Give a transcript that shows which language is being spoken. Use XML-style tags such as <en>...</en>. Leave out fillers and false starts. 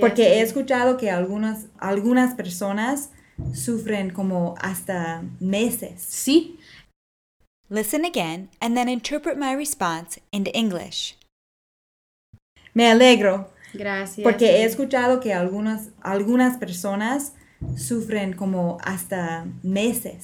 <es>Porque he escuchado que algunas personas sufren como hasta meses. Sí.</es> <en>Listen again and then interpret my response into English.</en> <es>Me alegro. Gracias. Porque he escuchado que algunas personas sufren como hasta meses.</es>